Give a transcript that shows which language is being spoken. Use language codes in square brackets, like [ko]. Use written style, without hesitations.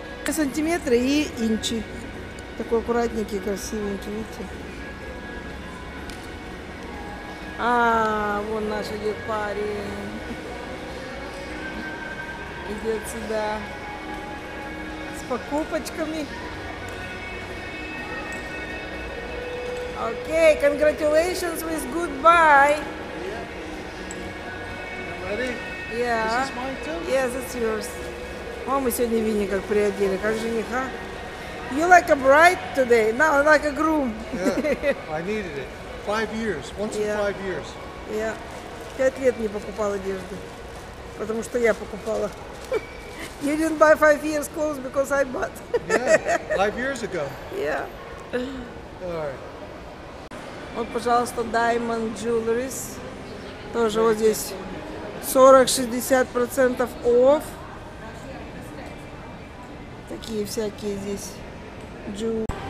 [ru] Сантиметры и инчи. Такой аккуратненький, красивенький, видите. А, вон наш идет парень. Идет сюда с покупочками. [en] Окей, congratulations with goodbye. Yeah. You ready? Yeah. This is mine too? Yes, it's yours. [ru] О, мы сегодня Винни как приодели, как жениха. [en] You like a bride today? No, like a groom. Yeah, I needed it. 5 years, once yeah. In 5 years. [ru] Yeah, 5 лет не покупал одежду, потому что я покупала. [en] You didn't buy 5 years clothes because I bought. Yeah, 5 years ago. Yeah. Alright. [ru] Вот, пожалуйста, Diamond Jewelries. Тоже вот здесь 40-60% off. Такие всякие здесь jewelry.